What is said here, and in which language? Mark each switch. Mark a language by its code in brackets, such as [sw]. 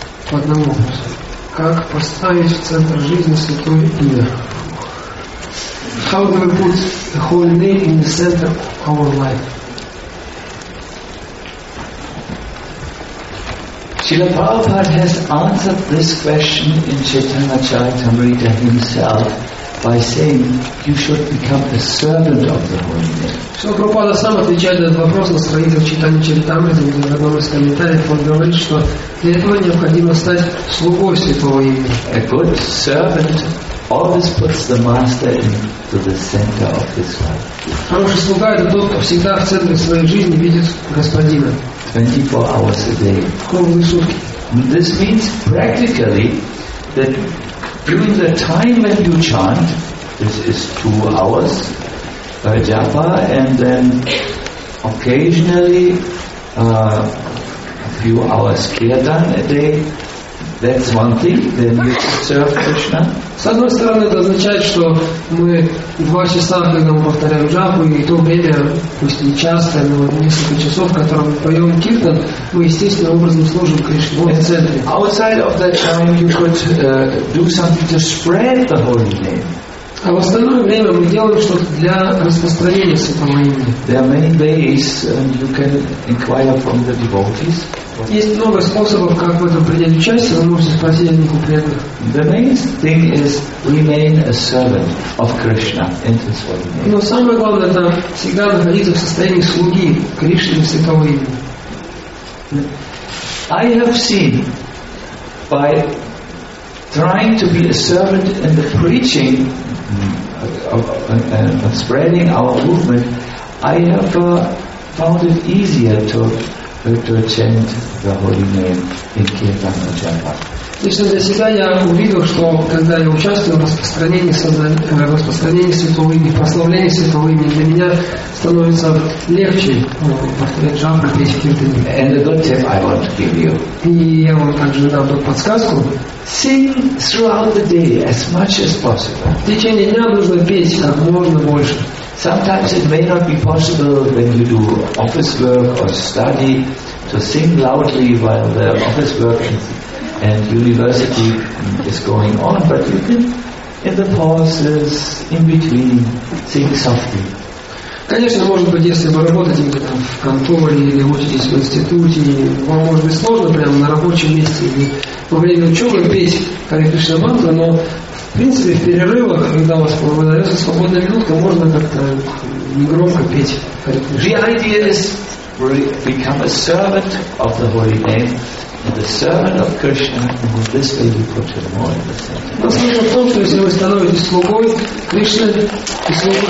[ru] По одному. Как поставить в центр жизни святое имя? [en] How do we put the holy name in the center of our life? Srila Prabhupada has answered this question in Chaitanya Charitamrita himself by saying you should become a servant of the holy name. [ru] Srila Prabhupada сам отвечает на этот вопрос на страницах Чайтаньи Чаритамриты, где в одном из комментариев он говорит, что для этого необходимо стать слугой святого имени. [en] A good servant always puts the master into the center of his life. [ru] Хороший слуга это тот, кто всегда в центре своей жизни видит господина. [en] 24 hours a day. [ru] Круглые сутки. [en] This means practically that during the time when you chant, this is 2 hours, japa, and then occasionally a few hours kirtan a day, that's one thing, then you serve Krishna. [ru] С одной стороны, это означает, что мы 2 часа, когда мы повторяем джапу, и то время, пусть не часто, но несколько часов, в котором мы поем киртан, мы естественным образом служим Кришне. Вот в центре. [en] Outside of that time you could do something to spread the holy name. [ru] А в остальное время мы делаем что-то для распространения святого имени. [en] There are many ways you can inquire from the devotees. [ru] Есть много способов, как в этом принять участие, вы можете спросить о них у преданных. [en] The main thing is remain a servant of Krishna in his holy name. [ru] Но самое главное это всегда находиться в состоянии слуги Кришны в святого имени. [en] I have seen by trying to be a servant in the preaching of spreading our movement, I have found it easier to chant the holy name in kirtan or japa. [ru] Лично для себя я увидел, что когда я участвую в распространении святого имени, прославлении святого имени, для меня становится легче повторять джапу, петь кирты. [en] And a good tip I want to give you. [ru] И я вам также дам тут подсказку. [en] Sing throughout the day as much as possible. [ru] В течение дня нужно петь как можно больше. [en] Sometimes it may not be possible when you do office work or study to sing loudly while the office work and university is going on, but you can, in the pauses, in between, sing softly. [ru] Конечно, может быть, если вы работаете где-то в конторе или учитесь в институте, вам может быть сложно прямо на рабочем месте или во время учебы петь Харе Кришна мантру, но в принципе в перерывах, когда у вас выдается свободная минутка, можно как-то негромко петь Харе Кришна. [en] The idea is to become a servant of the holy name. The servant of Krishna, and with this way you put him more in the center.